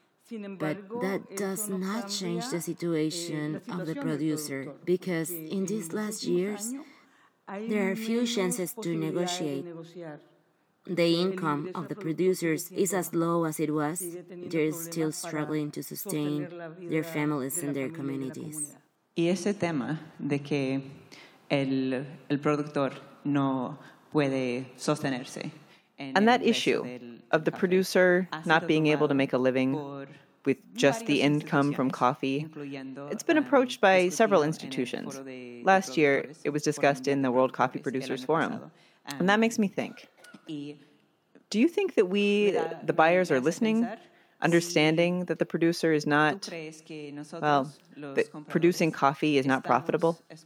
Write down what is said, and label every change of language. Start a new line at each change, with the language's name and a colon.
English: But that does not change the situation of the producer, because in these last years, there are few chances to negotiate. The income of the producers is as low as it was. They're still struggling to sustain their families and their communities.
Spanish: Y ese tema de que el productor no puede sostenerse.
English: And that issue of the producer not being able to make a living with just the income from coffee, it's been approached by several institutions. Last year, it was discussed in the World Coffee Producers Forum. And that makes me think, do you think that we, the buyers, are listening, understanding that the producer is not, well, that producing coffee is not profitable?